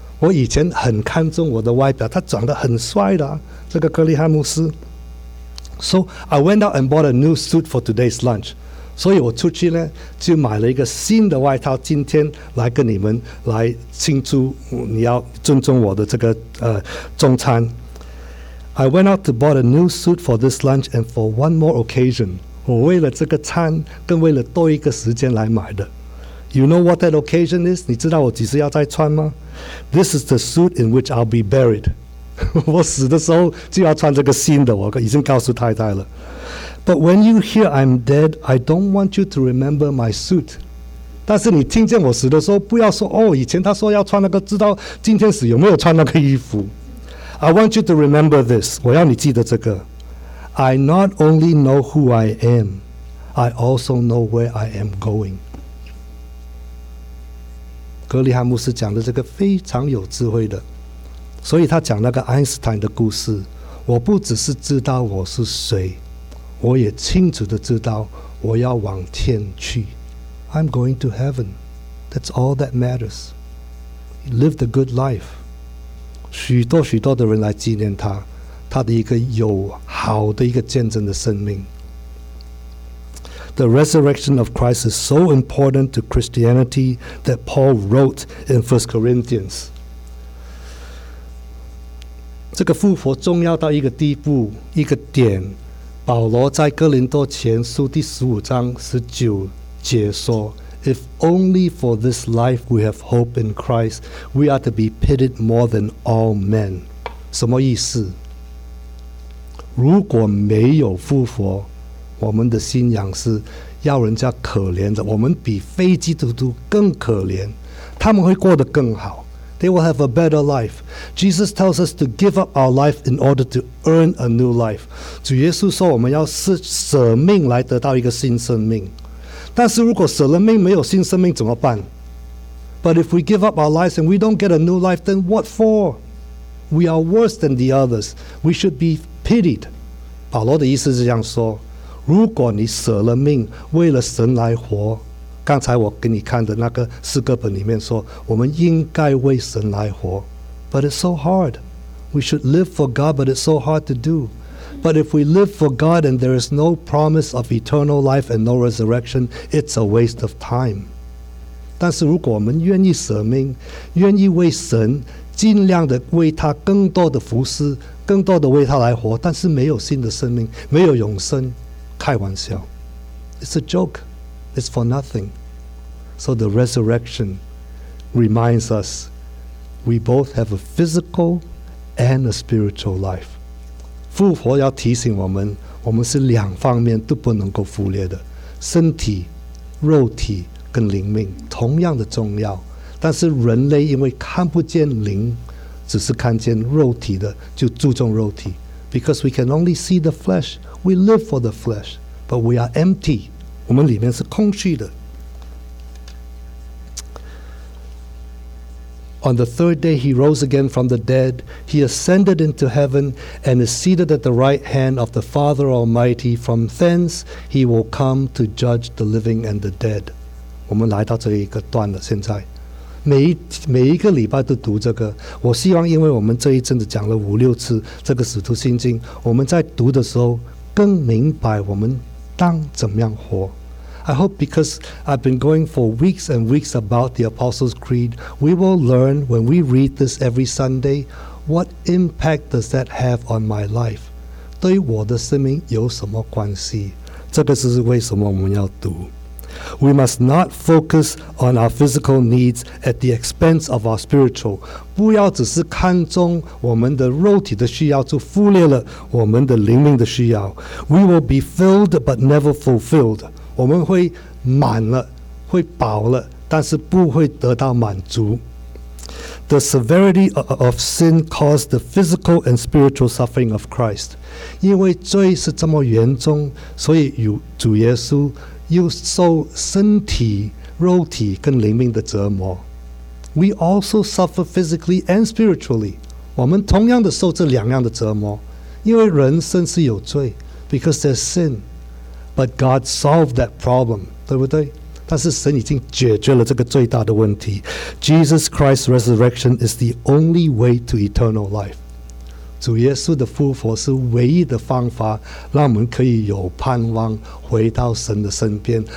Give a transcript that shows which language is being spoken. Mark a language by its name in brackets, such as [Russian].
[Chinese] 我以前很看重我的外表，他长得很帅的啊。这个格里汉牧师。 [English] So I went out and bought a new suit for today's lunch. [Chinese] 所以我出去呢，就买了一个新的外套，今天来跟你们来庆祝，你要尊重我的这个中餐。 [English] I went out to bought a new suit for this lunch and for one more occasion. [Chinese] 我为了这个餐，更为了多一个时间来买的。 [English] You know what that occasion is? [Chinese] 你知道我几时要再穿吗？ [English] This is the suit in which I'll be buried. [Chinese] 我死的时候就要穿这个新的，我已经告诉太太了。 [English] But when you hear I'm dead, I don't want you to remember my suit. [Chinese] 但是你听见我死的时候，不要说哦，以前他说要穿那个，知道今天死有没有穿那个衣服。 [English] I want you to remember this. [Chinese] 我要你记得这个。 [English] I not only know who I am, I also know where I am going. [Chinese] 格里汉牧师讲的这个非常有智慧的，所以他讲那个爱因斯坦的故事，我不只是知道我是谁，我也清楚地知道我要往天去。 [English] I'm going to heaven. That's all that matters. Live the good life. [Chinese] 许多许多的人来纪念他，他的一个有好的一个见证的生命。 [English] The resurrection of Christ is so important to Christianity that Paul wrote in 1 Corinthians. [Chinese] 这个复活重要到一个地步，一个点，保罗在哥林多前书第十五章十九节说， [English] If only for this life we have hope in Christ, we are to be pitied more than all men. [Chinese] 什么意思？如果没有复活，我们的信仰是要人家可怜的，我们比非基督徒更可怜，他们会过得更好。 [English] They will have a better life. Jesus tells us to give up our life in order to earn a new life. [Chinese] 主耶稣说我们要舍命来得到一个新生命。但是如果舍了命没有新生命怎么办？ [English] But if we give up our lives and we don't get a new life, then what for? We are worse than the others. We should be pitied. [Chinese] 保罗的意思是这样说，如果你舍了命为了神来活，刚才我给你看的那个诗歌本里面说我们应该为神来活。 [English] But it's so hard. We should live for God, but it's so hard to do. But if we live for God and there is no promise of eternal life and no resurrection, it's a waste of time. [Chinese] 但是如果我们愿意舍命，愿意为神尽量的为他更多的服侍，更多的为他来活，但是没有新的生命，没有永生，开玩笑， [English] It's a joke. It's for nothing. So the resurrection reminds us we both have a physical and a spiritual life. [Chinese] 复活要提醒我们，我们是两方面都不能够忽略的，身体、肉体跟灵命同样的重要。但是人类因为看不见灵，只是看见肉体的，就注重肉体。 Because we can only see the flesh, we live for the flesh, but we are empty. 我们里面是空虚的。 [English] On the third day he rose again from the dead. He ascended into heaven and is seated at the right hand of the Father Almighty. From thence he will come to judge the living and the dead. [Chinese] 我们来到这一个段了。现在每一个礼拜都读这个，我希望因为我们这一阵子讲了五六次这个使徒信经，我们在读的时候更明白我们当怎么样活。 [English] I hope because I've been going for weeks and weeks about the Apostles' Creed, we will learn when we read this every Sunday, what impact does that have on my life? [Chinese] 对我的生命有什么关系？这个是为什么我们要读。 [English] We must not focus on our physical needs at the expense of our spiritual. [Chinese] 不要只是看重我们的肉体的需要，就忽略了我们的灵命的需要。 [English] We will be filled but never fulfilled. [Chinese] 我们会满了，会饱了，但是不会得到满足。 [English] The severity of sin caused the physical and spiritual suffering of Christ. [Chinese] 因为罪是这么严重，所以主耶稣又受身体、肉体跟灵命的折磨。 [English] We also suffer physically and spiritually. [Chinese] 我们同样的受这两样的折磨，因为人生是有罪， [English] because there's sin. But God solved that problem, [Chinese] 对不对？但是神已经解决了这个最大的问题。 [English] Jesus Christ's resurrection is the only way to eternal life. [Chinese] 主耶稣的复活是唯一的方法，让我们可以有盼望回到神的身边。